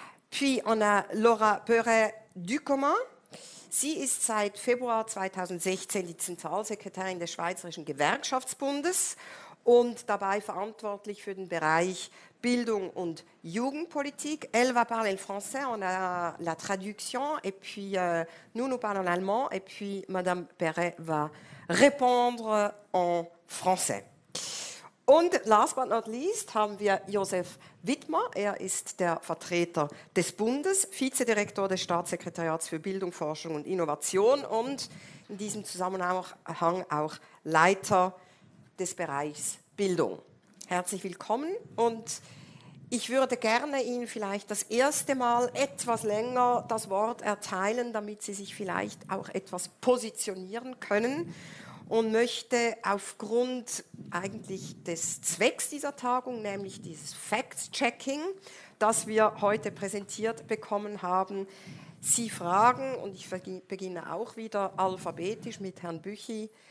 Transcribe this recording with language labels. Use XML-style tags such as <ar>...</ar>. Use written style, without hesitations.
<de>Puis on a Laura Peuret-Ducommun. Sie ist seit Februar 2016 die Zentralsekretärin des Schweizerischen Gewerkschaftsbundes und dabei verantwortlich für den Bereich Bildung und Jugendpolitik.</de> <fr>Elle va parler le français, on a la traduction, et puis nous nous parlons allemand, et puis Madame Perret va répondre en français.</fr> <de>Und</de> <en>last but not least</en> <de>haben wir Josef Widmer. Er ist der Vertreter des Bundes, Vizedirektor des Staatssekretariats für Bildung, Forschung und Innovation und in diesem Zusammenhang auch Leiter des Bereichs Bildung. Herzlich willkommen und ich würde gerne Ihnen vielleicht das erste Mal etwas länger das Wort erteilen, damit Sie sich vielleicht auch etwas positionieren können und möchte aufgrund eigentlich des Zwecks dieser Tagung, nämlich dieses Fact-Checking, das wir heute präsentiert bekommen haben, Sie fragen, und ich beginne auch wieder alphabetisch mit Herrn Büchi.</de>